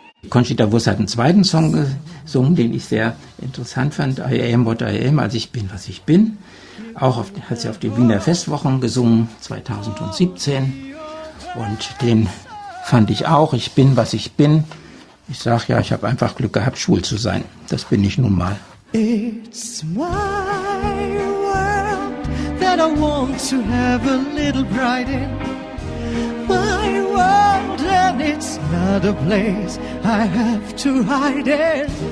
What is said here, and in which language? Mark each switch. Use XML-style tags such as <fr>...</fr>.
<de>Conchita Wurst hat einen zweiten Song gesungen, den ich sehr interessant fand.</de> <en>I am what I am,</en> <de>also ich bin, was ich bin. Auch hat sie auf den Wiener Festwochen gesungen, 2017. Und den fand ich auch. Ich bin, was ich bin. Ich sage ja, ich habe einfach Glück gehabt, schwul zu sein. Das bin ich nun mal.</de> <en>It's my world that I want to have a little pride in. My world, and it's not a place I have to hide in.</en>